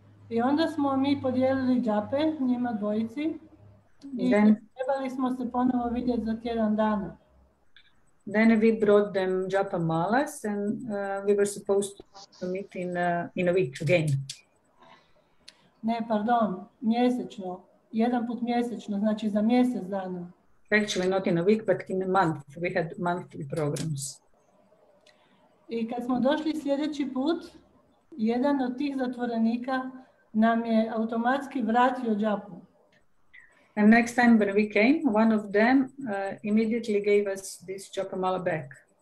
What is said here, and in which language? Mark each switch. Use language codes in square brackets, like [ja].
[hr] I onda smo mi podijelili džape njima dvojici i trebali smo se ponovo vidjeti za tjedan dana. [en] Then we brought them japa malas and we were supposed to meet in a week again. [hr] Ne, pardon, mjesečno. Jedan put mjesečno, znači za mjesec dana. [en] Actually not in a week, but in a month. We had monthly programs. [hr] I kad smo došli sljedeći put, jedan od tih zatvorenika nam je automatski vratio džapu. [en] And next time when we came, one of them immediately gave us this japa mala back.